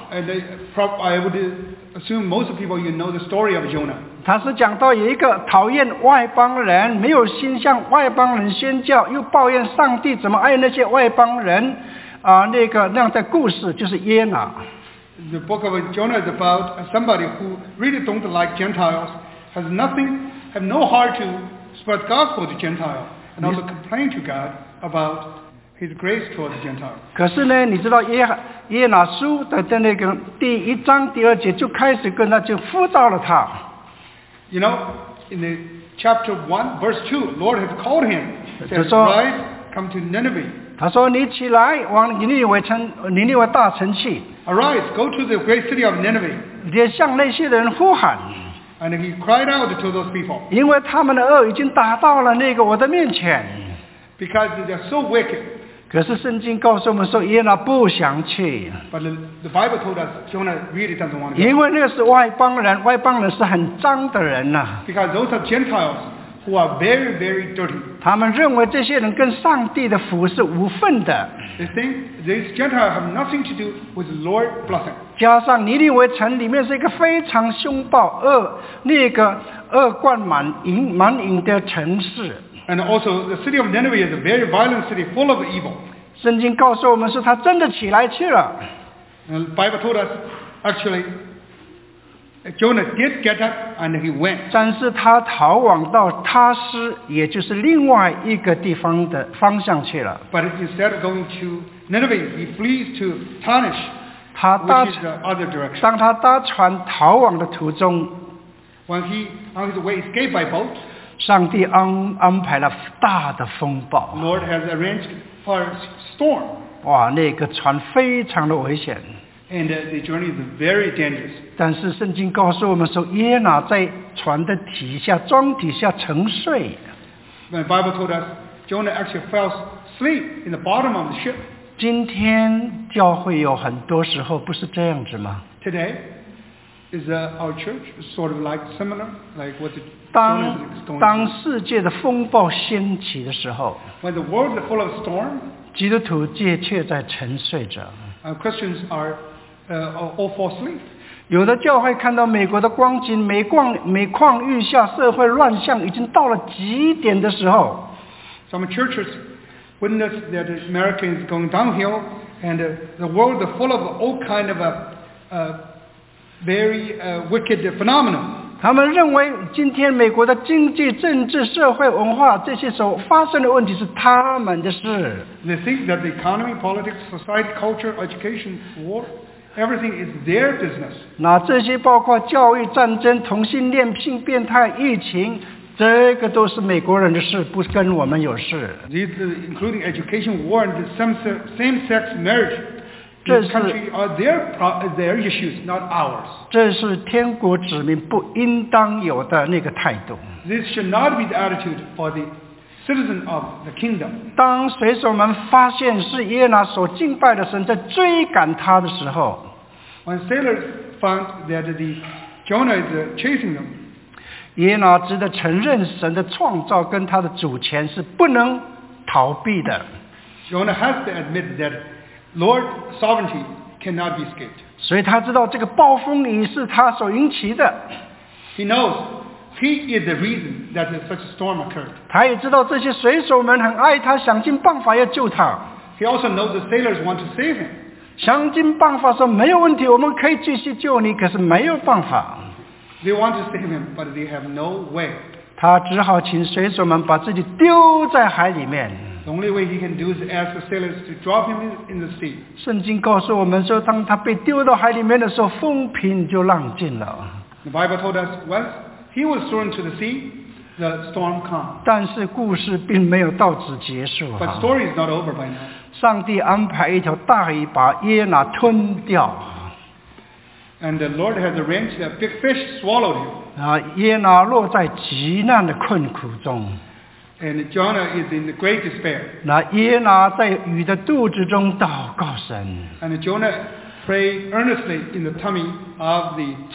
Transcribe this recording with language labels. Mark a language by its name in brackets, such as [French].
[English] And I would assume most people you know the story of Jonah. [Chinese] 他是讲到有一个讨厌外邦人，没有心向外邦人宣教，又抱怨上帝怎么爱那些外邦人。那样的故事就是耶拿。 [English] The book of Jonah is about somebody who really don't like Gentiles, has nothing, have no heart to spread gospel to Gentiles, and also complain to God about His grace towards Gentiles. [Chinese] 可是呢，你知道耶拿书的那个第一章第二节就开始跟他就呼召了他。 [English] You know, in the chapter 1, verse 2, Lord has called him. He says, "Rise, come to Nineveh." [Chinese] 他说：“你起来，往尼尼微大城去。” [English] Arise, go to the great city of Nineveh. [Chinese] 也向那些人呼喊。 [English] And he cried out to those people. [Chinese] 因为他们的恶已经达到了那个我的面前。 [English] Because they are so wicked. [Chinese] 可是圣经告诉我们说，耶拿不想去。 [English] But the Bible told us Jonah really doesn't want to go. [Chinese] 因为那个是外邦人，外邦人是很脏的人呐。 [English] Because those are Gentiles. Who are very, very dirty. [Chinese] 他们认为这些人跟上帝的福是无份的。 [English] They think these Gentiles have nothing to do with the Lord's blessing. [Chinese] 加上尼尼微城里面是一个非常凶暴恶贯满盈的城市。 [English] And also, the city of Nineveh is a very violent city full of evil. [Chinese] 圣经告诉我们说他真的起来去了。 [English] The Bible told us, actually,Jonah did get up and he went. [Chinese] 但是他逃往到他斯，也就是另外一个地方的方向去了。 [English] But instead of going to Nineveh, he flees to Tarshish, which is the other direction. [Chinese] 当他搭船逃往的途中 [English] ，When he on his way escaped by boat, [Chinese] 上帝安排了大的风暴。 [English] Lord has arranged for a storm. [Chinese] 哇，那个船非常的危险。 [English] And the journey is very dangerous. [Chinese] 但是圣经告诉我们说，耶拿在船的底下、桩底下沉睡。 [English] The Bible told us Jonah actually fell asleep in the bottom of the ship. [Chinese] 今天教会有很多时候不是这样子吗 [English] ？Today is our church sort of like similar, like what Jonah is going through. [Chinese] 当世界的风暴掀起的时候 [English] ，When the world is full of storm, [Chinese] 基督徒界却在沉睡着。 [English] Christians are all fall asleep. [Chinese] 有的教会看到美国的光景，每况愈下，社会乱象已经到了极点的时候。 [English] Some churches witness that America is going downhill, and the world is full of all kind of very wicked phenomena. [Chinese] 他们认为今天美国的经济、政治、社会、文化这些所发生的问题是他们的事。 [English] They think that the economy, politics, society, culture, education, war, everything is their business. [Chinese] 那这些包括教育、战争、同性恋、性变态、疫情，这个都是美国人的事，不跟我们有事。 [English] These including education, war, and same-sex marriage, the country are their issues, not ours. [Chinese] 这是天国子民不应当有的那个态度。 [English] This should not be the attitude for the. Citizen of the kingdom. [Chinese] 当水手们发现是耶拿所敬拜的神在追赶他的时候 [English] ，When sailors found that the Jonah is chasing them, [Chinese] 耶拿只得承认神的创造跟他的主权是不能逃避的。 [English] Jonah has to admit that Lord's sovereignty cannot be escaped. [Chinese] 所以他知道这个暴风雨是他所引起的。 [English] He knows. He is the reason that such a storm occurred. [Chinese] 他也知道这些水手们很爱他，想尽办法要救他。 [English] He also knows the sailors want to save him. [Chinese] 想尽办法说没有问题，我们可以继续救你，可是没有办法。 [English] They want to save him, but they have no way. [Chinese] 他只好请水手们把自己丢在海里面。 [English] The only way he can do is ask the sailors to drop him in the sea. [Chinese] 圣经告诉我们说，当他被丢到海里面的时候，风平就浪静了。 [English] The Bible told us once he was thrown to the sea, the storm calmed. [Chinese] 但是故事并没有到此结束。 [English] But the story is not over by now. [Chinese] 上帝安排一条大鱼把约拿吞掉。 [English] And the Lord has arranged a big fish swallowed him. [Chinese] 约拿落在极难的困苦中。 [English] And Jonah is in great despair. [Chinese] 那约拿在鱼的肚子中祷告神。 [English] And Jonah prayed earnestly in the tummy of the fish.